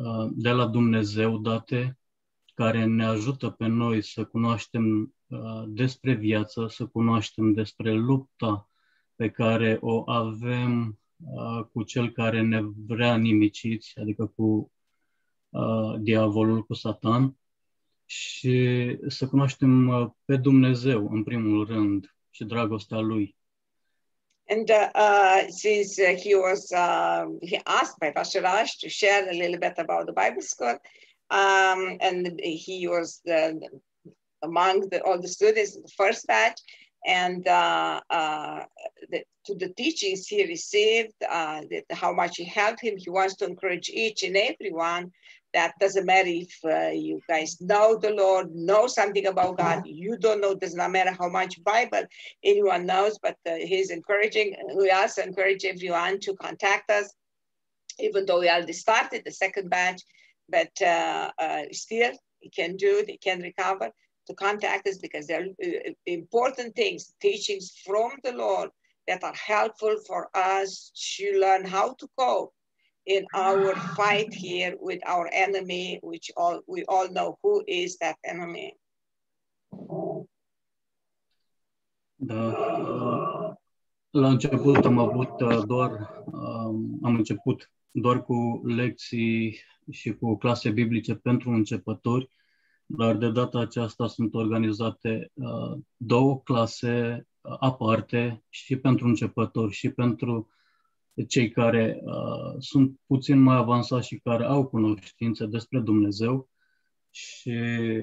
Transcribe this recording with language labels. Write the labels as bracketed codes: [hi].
[ro] de la Dumnezeu date, care ne ajută pe noi să cunoaștem despre viață, să cunoaștem despre lupta pe care o avem cu cel care ne vrea nimiciți, adică cu diavolul, cu Satan, și să cunoaștem pe Dumnezeu în primul rând și dragostea Lui. [en] And since he asked by Pastor Raj to share a little bit about the Bible school, and he was the among all the students in the first batch, and to the teachings he received, how much he helped him. He wants to encourage each and everyone that doesn't matter if you guys know the Lord, know something about God, you don't know, does not matter how much Bible anyone knows, but he's encouraging. We also encourage everyone to contact us, even though we already started the second batch, but still he can do it, he can recover. To contact us because they're important things, teachings from the Lord that are helpful for us to learn how to cope in our fight here with our enemy, which we all know who is that enemy. [ro] Da, la început am început doar cu lecții și cu clase biblice pentru începători. Dar de data aceasta sunt organizate două clase aparte și pentru începători și pentru cei care sunt puțin mai avansați și care au cunoștințe despre Dumnezeu. Și